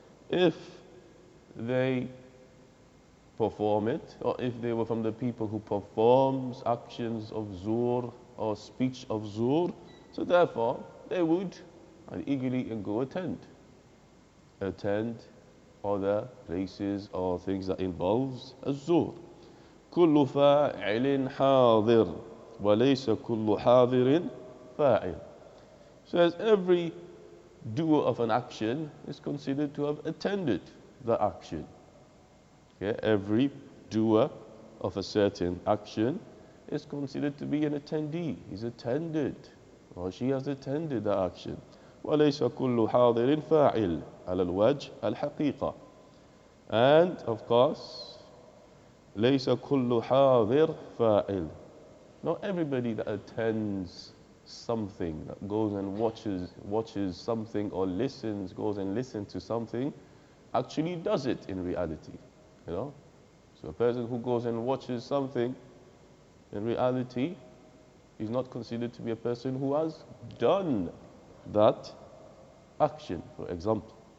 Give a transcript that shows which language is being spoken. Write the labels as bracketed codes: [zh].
[en] If they perform it, or if they were from the people who performs actions of zur or speech of zur, so therefore they would eagerly and go attend other places or things that involves a zur. [ar] كل فاعل حاضر وليس كل حاضر فاعل. [en] So as every doer of an action is considered to have attended the action. Okay, every doer of a certain action is considered to be an attendee. He's attended, or she has attended the action. [ar] وليس كل حاضر فاعل على الوجه الحقيقة. [en] And of course, [ar] ليس كل حاضر فاعل. [en] Not everybody that attends something, that goes and watches something, or listens, goes and listens to something, actually does it in reality. You know, so a person who goes and watches something, in reality, is not considered to be a person who has done that action, for example.